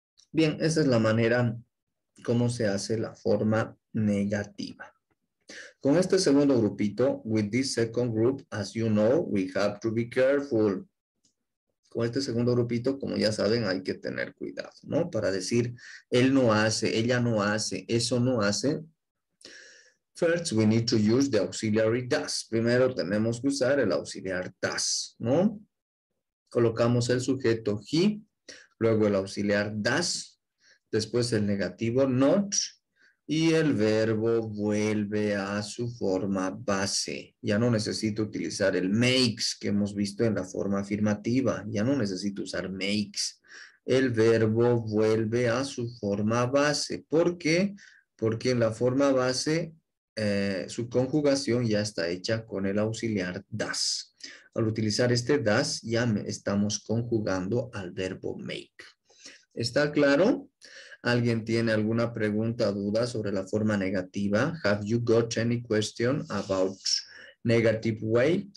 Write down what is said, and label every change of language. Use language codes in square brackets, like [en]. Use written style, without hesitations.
[es] Bien, esa es la manera. ¿Cómo se hace la forma negativa? Con este segundo grupito, [en] with this second group, as you know, we have to be careful. [es] Con este segundo grupito, como ya saben, hay que tener cuidado, ¿no? Para decir, él no hace, ella no hace, eso no hace. [en] First, we need to use the auxiliary does. [es] Primero tenemos que usar el auxiliar does, ¿no? Colocamos el sujeto he, luego el auxiliar does. Después el negativo not y el verbo vuelve a su forma base. Ya no necesito utilizar el makes que hemos visto en la forma afirmativa. Ya no necesito usar makes. El verbo vuelve a su forma base. ¿Por qué? Porque en la forma base su conjugación ya está hecha con el auxiliar does. Al utilizar este does ya estamos conjugando al verbo make. ¿Está claro? ¿Alguien tiene alguna pregunta, duda sobre la forma negativa? [en] Have you got any question about negative way?